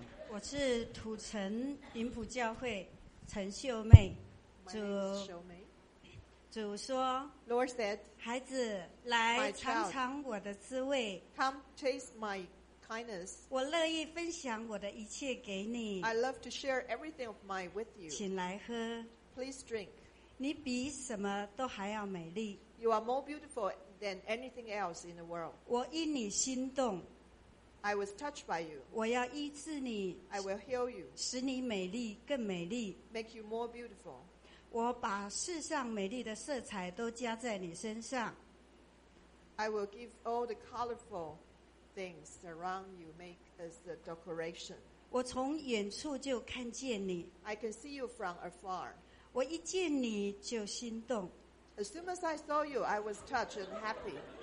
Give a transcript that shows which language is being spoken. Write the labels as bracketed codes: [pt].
[zh] 我是土城云浦教会陈秀妹。主主说 [en] Lord said, [zh] 孩子来尝尝我的滋味。 [en] Come taste my kindness. [zh] 我乐意分享我的一切给你。 [en] I love to share everything of mine with you. [zh] 请来喝。 [en] Please drink. [zh] 你比什么都还要美丽。 [en] You are more beautiful than anything else in the world. [zh] 我因你心动。 [en] I was touched by you. [zh] 我要医治你。 [en] I will heal you. [zh] 使你美丽更美丽。 [en] Make you more beautiful. [zh] 我把世上美丽的色彩都加在你身上。 [en] I will give all the colorful things around you, make as a decoration. [zh] 我从远处就看见你。 [en] I can see you from afar. [zh] 我一见你就心动。 [en] As soon as I saw you, I was touched and happy.